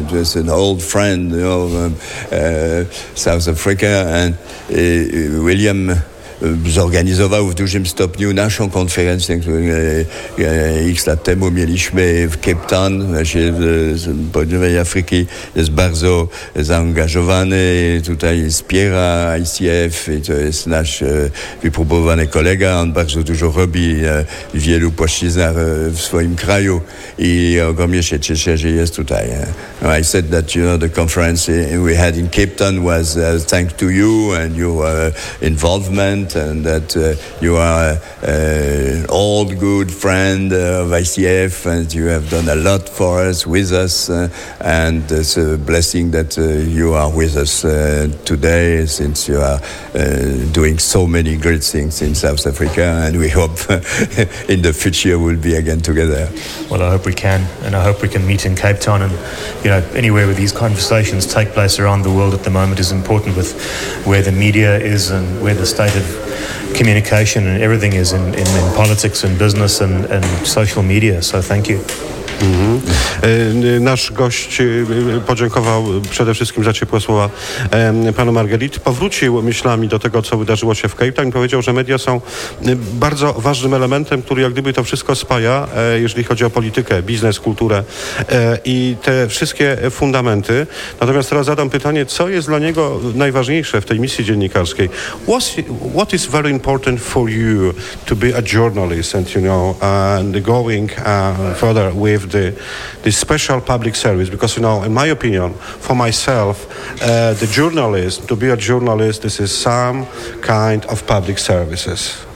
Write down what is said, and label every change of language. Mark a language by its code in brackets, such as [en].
[pl] To jest [en] an old friend, you know, [pl] South Africa, and William zorganizował w dużym stopniu naszą konferencję, którą x lat temu mieliśmy w Cape Town, właśnie z Południowej Afryki. Jest bardzo zaangażowany, tutaj wspiera ICF i to jest nasz wypróbowany kolega. On bardzo dużo robi w wielu płaszczyznach w swoim kraju i ogromnie się cieszę, że jest tutaj. [en] I said that, you know, the conference we had in Cape Town was thanks to you and your involvement, and that you are an old good friend of ICF, and you have done a lot for us, with us, and it's a blessing that you are with us today, since you are doing so many great things in South Africa, and we hope in the future we'll be again together. Well, I hope we can, and I hope we can meet in Cape Town, and, you know, anywhere where these conversations take place around the world at the moment is important, with where the media is and where the state of communication and everything is in politics and business and social media, so thank you. Mm-hmm. [pl] Nasz gość podziękował przede wszystkim za ciepłe słowa panu Margheriti. Powrócił myślami do tego, co wydarzyło się w Cape Town i powiedział, że media są bardzo ważnym elementem, który jak gdyby to wszystko spaja, jeżeli chodzi o politykę, biznes, kulturę i te wszystkie fundamenty. Natomiast teraz zadam pytanie, co jest dla niego najważniejsze w tej misji dziennikarskiej? [en] What is very important for you to be a journalist and, you know, and going further with the special public service, because, you know, in my opinion, for myself, the journalist, to be a journalist, this is some kind of public services.